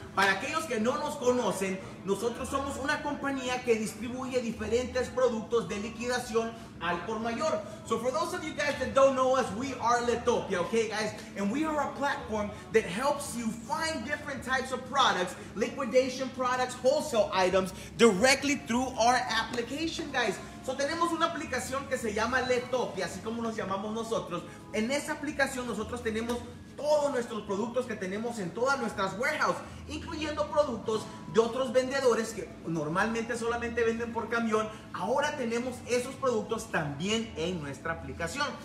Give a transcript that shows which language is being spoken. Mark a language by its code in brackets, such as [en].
[es] Para aquellos que no nos conocen, nosotros somos una compañía que distribuye diferentes productos de liquidación al por mayor. [en] So for those of you guys that don't know us, we are Letopia, okay guys? And we are a platform that helps you find different types of products, liquidation products, wholesale items, directly through our application, guys. [es] So tenemos una aplicación que se llama Letopia, así como nos llamamos nosotros. En esa aplicación nosotros tenemos todos nuestros productos que tenemos en todas nuestras warehouse, incluyendo productos de otros vendedores que normalmente solamente venden por camión. Ahora tenemos esos productos también en nuestra aplicación.